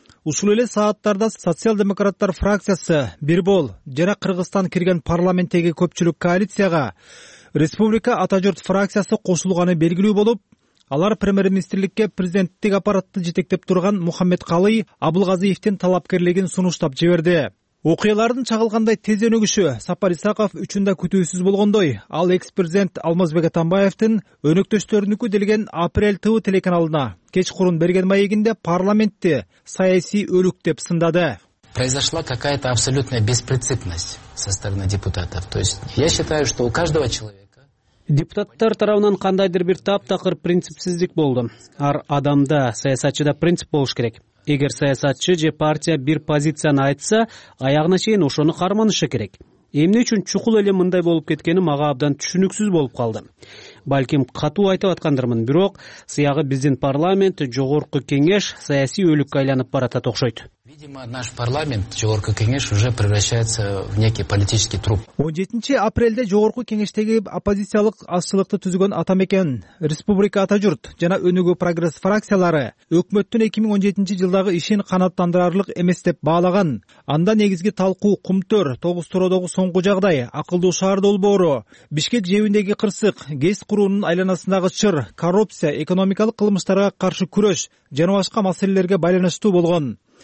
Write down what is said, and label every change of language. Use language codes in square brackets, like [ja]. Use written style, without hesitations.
[ky] Ушул эле сааттарда социал-демократтар фракциясы бир бол жана Кыргызстан кирген парламенттеги көпчүлүк коалицияга Республика Атажурт фракциясы кошулганы белгилүү болуп, алар премьер-министрликке президенттик аппаратты жетектеп турган Мухаммед Калый Абылгазыевтин талапкерлигин сунуштап жиберди. Окуялардын чагылгандай тез өнүгүшү Сапар Исаков үчүн да күтүүсүз болгондой, ал экс-президент Алмазбек Атамбаевдин өнөктөштөрүнүкү делген Апрель ТВ телеканалына кеч курун берген маегинде парламентти саясий өлүк деп сындады. [ru] Произошла какая-то абсолютная беспринципность со стороны депутатов. То есть я считаю, что у каждого человека [ky] депутаттар тарабынан кандайдыр бир таптакыр принципсиздик болду. Ар адамда, саясатчыда принцип болуш керек. Эгер саясатчы же партия бир позицияны айтса, аягына чейин ошону карманышы керек. Эмне үчүн чукул эле мындай болуп кеткени мага абдан түшүнүксүз болуп калды. Балким катуу айтып аткандырмын, бирок сыягы биздин парламент, Жогорку Кеңеш саясий өлүккө айланып баратат окшойт. [ru] Видимо, наш парламент, Жогорку Кеңеш, уже превращается в некий политический труп. [ky] 17 апрельде Жогорку Кеңештеги оппозициялык азчылыкты түзгөн Атамекен, Республика Атажурт жана Өнүгүү Прогресс фракциялары өкмөттүн 2017 жылдагы ишин канааттандырарлык эмес деп баалаган. Анда негизги талкуу Кумтөр, Тогуз Туродогу соңку жагдай, Акылдуу шаар долбоору, Бишкек жээбиндеги кырсык, ГЭС куруунун айланасындагы чыр, коррупция, экономикалык кылмыштарга каршы күрөш жана башка маселелерге байланыштуу болгон.